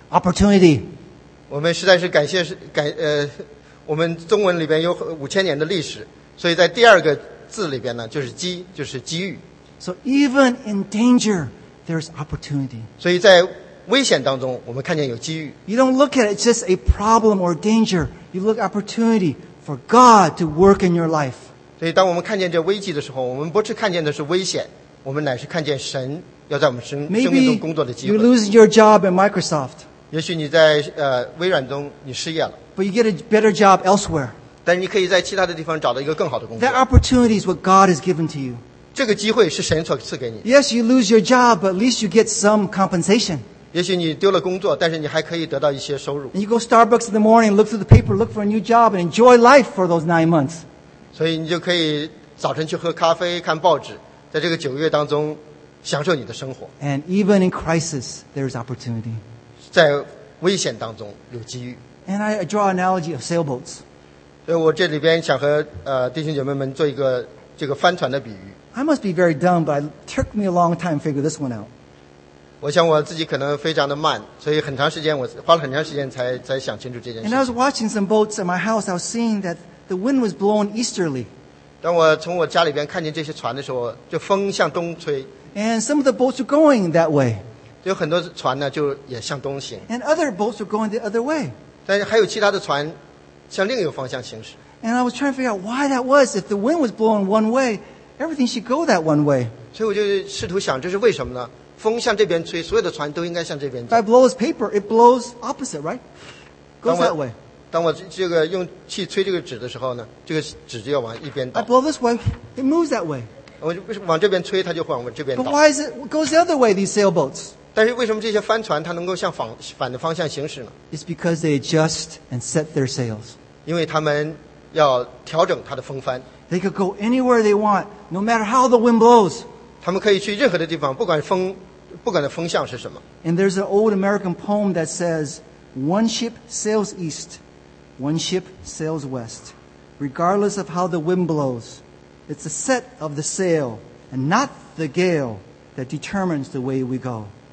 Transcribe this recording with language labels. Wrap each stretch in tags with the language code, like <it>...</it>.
<en>Opportunity.</en> <zh>我们实在是感谢我们中文里边有5000年的历史，所以在第二个。字里边呢，就是机，就是机遇。</zh> <en>So even in danger, there's opportunity.</en> <zh>所以在危险当中，我们看见有机遇。</zh> <en>You don't look at it just a problem or danger. You look opportunity for God to work in your life.</en> <zh>所以当我们看见这危机的时候，我们不是看见的是危险，我们乃是看见神要在我们生命中工作的机会。</zh> <en>Maybe you lose your job at Microsoft.</en> <zh>也许你在微软中你失业了。</zh> <en>But you get a better job elsewhere.</en> <zh>但你可以在其他的地方找到一个更好的工作。</zh> <en>That opportunity is what God has given to you.</en> <zh>这个机会是神所赐给你。</zh> <en>Yes, you lose your job, but at least you get some compensation.</en> <zh>也许你丢了工作，但是你还可以得到一些收入。</zh> <en>And you go Starbucks in the morning, look through the paper, look for a new job, and enjoy life for those 9 months.</en> <zh>所以你就可以早晨去喝咖啡，看报纸，在这个9个月当中享受你的生活。</zh> <en>And even in crisis, there is opportunity.</en> <zh>在危险当中有机遇。</zh> <en>And I draw an analogy of sailboats.</en> <zh>所以我这里边想和弟兄姐妹们做一个这个帆船的比喻。</zh> <en>I must be very dumb, but it took me a long time to figure this one out.</en> <zh>我想我自己可能非常的慢，所以很长时间我花了很长时间才想清楚这件事。</zh> <en>And I was watching some boats at my house. I was seeing that the wind was blowing easterly.</en> <zh>当我从我家里边看见这些船的时候，就风向东吹。</zh> <en>And some of the boats were going that way.</en> <zh>有很多船呢就也向东行。</zh> <en>And other boats were going the other way.</en> <zh>但还有其他的船。向另一个方向行驶。</zh> <en>And I was trying to figure out why that was. If the wind was blowing one way, everything should go that one way.</en> <zh>所以我就试图想，这是为什么呢？风向这边吹，所有的船都应该向这边走。</zh> <en>If I blow this paper, it blows opposite, right? Goes that way.</en> <zh>当我这个用气吹这个纸的时候呢，这个纸就要往一边倒。</zh> <en>I blow this way, it moves that way.</en> <zh>我往这边吹，它就往这边倒。</zh> <en>But why is it goes the other way? These sailboats.</en> <zh>但是为什么这些帆船它能够向反的方向行驶呢？</zh> <en>It's because they adjust and set their sails.</en> <zh>因为他们要调整它的风帆。</zh> <en>They could go anywhere they want, no matter how the wind blows.</en> <zh>他们可以去任何的地方，不管风向是什么。</zh> <en>And there's an old American poem that says, "One ship sails east, one ship sails west, regardless of how the wind blows. It's the set of the sail and not the gale that determines the way we go."</en>